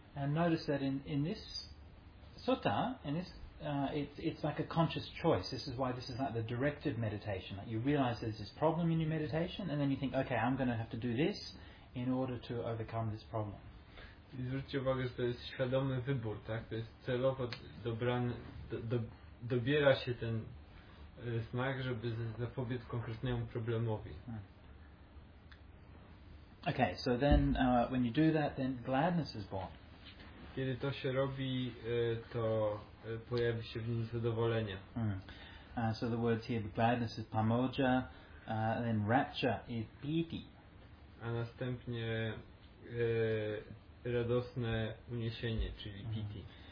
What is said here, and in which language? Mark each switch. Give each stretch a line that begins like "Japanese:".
English: And notice that in this sutta, in this it's like a conscious choice. This is why this is like the directed meditation. Like you realize there's this problem in your meditation, and then you think, okay, I'm going to have to do this in order to overcome this problem.
Polish: I zwróćcie uwagę, że to jest świadomy wybór, tak? To jest celowo dobrany, dobiera się ten smak, żeby zapobiec konkretnemu problemowi.
English: Okay, so then when you do that, then gladness is born.
Polish: Kiedy to się robi, to pojawi się w nim zadowolenie.
English: So the words here, gladness is pamoja, then rapture is piti.
Polish: A następnie radosne uniesienie, czyli piti.